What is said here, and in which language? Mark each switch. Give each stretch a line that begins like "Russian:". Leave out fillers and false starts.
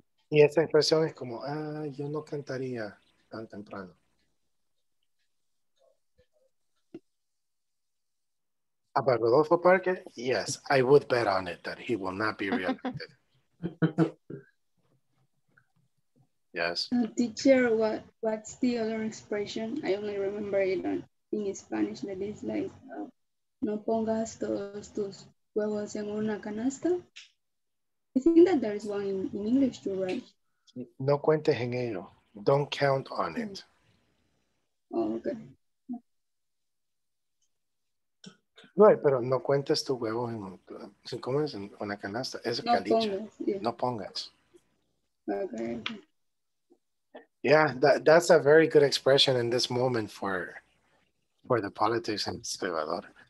Spanish: Y esa expresión es como, yo no cantaría tan temprano.
English: About Rodolfo Parker, yes, I would bet on it that he will not be reelected. Yes. Teacher, what's the other expression? I only remember it in Spanish, that is like,
Spanish: no pongas todos tus huevos en una canasta.
English: I think that there is one in English too, right?
Spanish: No cuentes en ello.
English: Don't count on it. Oh, okay.
Spanish: No, pero no cuentes tu huevo en ¿cómo es? En una canasta. Es no pongas.
English: Yeah.
Spanish: No pongas.
English: Okay. Yeah, that's a very good expression in this moment for the politics in Salvador.